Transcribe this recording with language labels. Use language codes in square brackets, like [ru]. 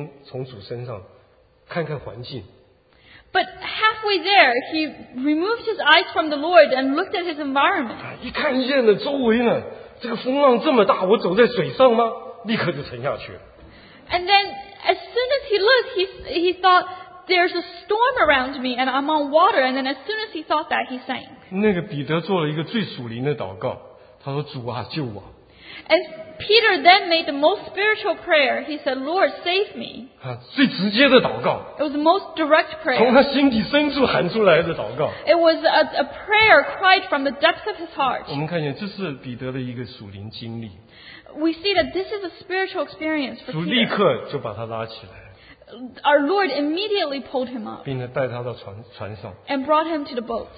[zh] 当他走到一半的时候,他眼睛从主身上,看看环境。 [en] But halfway there, he removed his eyes from the Lord and looked at his environment. [zh] 一看见了周围呢,这个风浪这么大,我走在水上吗?立刻就沉下去。 [en] And then as soon as he looked, he thought, there's a storm around me and I'm on water, and then as soon as he thought that, he sank. [zh] 那个彼得做了一个最属灵的祷告,他说,主啊,救我。 [en] And Peter then made the most spiritual prayer. He said, Lord, save me. [zh] 最直接的祷告, [en] it was the most direct prayer. [zh] 从他心底深处喊出来的祷告, [en] it was a prayer cried from the depth of his heart. [zh] 我们看见这是彼得的一个属灵经历。 [en] We see that this is a spiritual experience for Peter. [zh] 主立刻就把他拉起来。 [en] Our Lord immediately pulled him up [zh] 并带他到船上, [en] and brought him to the boat.